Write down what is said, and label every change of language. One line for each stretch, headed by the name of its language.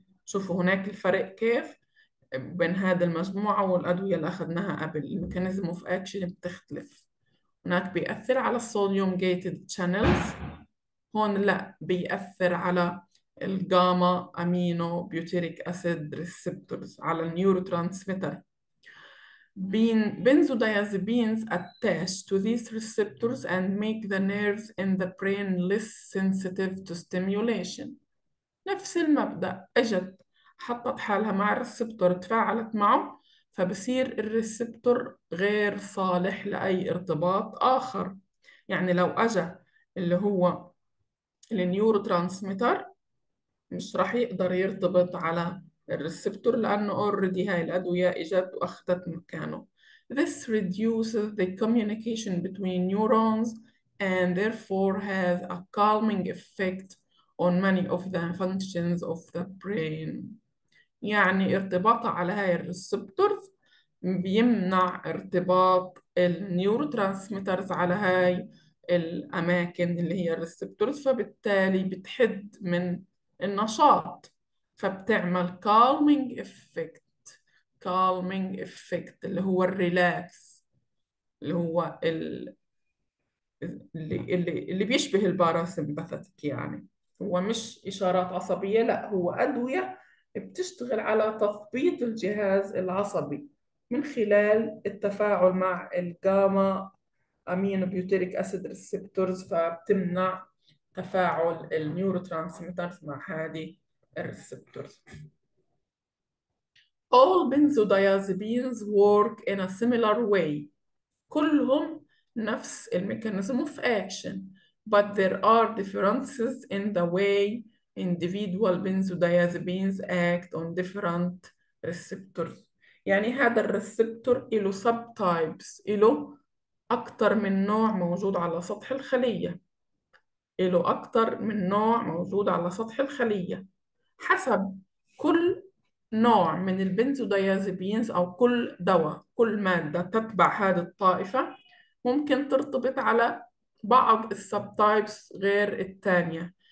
Arabic: شوفوا هناك الفرق كيف بين هذه المجموعة والأدوية اللي أخذناها قبل، الميكانيزم اوف اكشن بتختلف، هناك بيأثر على الصوديوم جيتد channels، هون لا بيأثر على الجاما أمينو بيوتيريك أسيد ريسبتورز على النيورو ترانسميتر.
English: Benzodiazepines attach to these receptors and make the nerves in the brain less sensitive to stimulation.
Arabic: نفس المبدأ، أجت حطت حالها مع الريسبتور تفاعلت معه فبصير الريسبتور غير صالح لأي ارتباط آخر، يعني لو أجا اللي هو النيورو ترانسميتر مش راح يقدر يرتبط على الريسبتور لأنه already هاي الأدوية إجت وأخذت مكانه.
English: This reduces the communication between neurons and therefore has a calming effect on many of the functions of the brain.
Arabic: يعني ارتباطها على هاي الريسبتورز بيمنع ارتباط النيورو ترانسميترز على هاي الأماكن اللي هي الريسبتورز، فبالتالي بتحد من النشاط فبتعمل
English: calming effect. calming effect
Arabic: اللي هو الريلاكس، اللي هو اللي بيشبه الباراسمباثيك، يعني هو مش إشارات عصبية، لا هو أدوية بتشتغل على تثبيط الجهاز العصبي من خلال التفاعل مع الجاما أمينو بيوتيريك أسيد ريسبتورز، فبتمنع تفاعل النيورو ترانسميترز مع هذه الريسبتورز.
English: All benzodiazepines work in a similar way.
Arabic: كلهم نفس الميكانيزم
English: of action, but there are differences in the way individual benzodiazepines act on different receptors.
Arabic: يعني هذا الريسبتور له subtypes، له أكثر من نوع موجود على سطح الخلية، له أكثر من نوع موجود على سطح الخلية حسب كل نوع من البنزودايازيبينز أو كل دواء، كل مادة تتبع هذه الطائفة ممكن ترتبط على بعض السب تايبس غير الثانية.